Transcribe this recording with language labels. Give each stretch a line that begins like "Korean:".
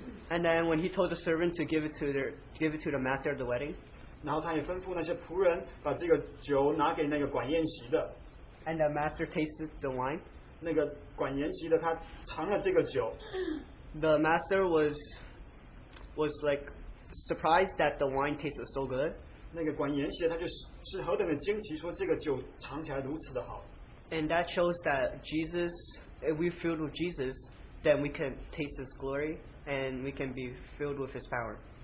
English: And then when he told the servant to give it to their, give it to the master of the wedding.
Chinese: 然后他也吩咐那些仆人把这个酒拿给那个管宴席的,
English: and the master tasted the wine.
Chinese: 那个管宴席的他尝了这个酒,
English: the master was like surprised that the wine tasted so good.
Chinese: 那个管宴席他就是何等的惊奇说这个酒尝起来如此的好,
English: and that shows that Jesus, if we're filled with Jesus, then we can taste his glory and we can be filled with his power.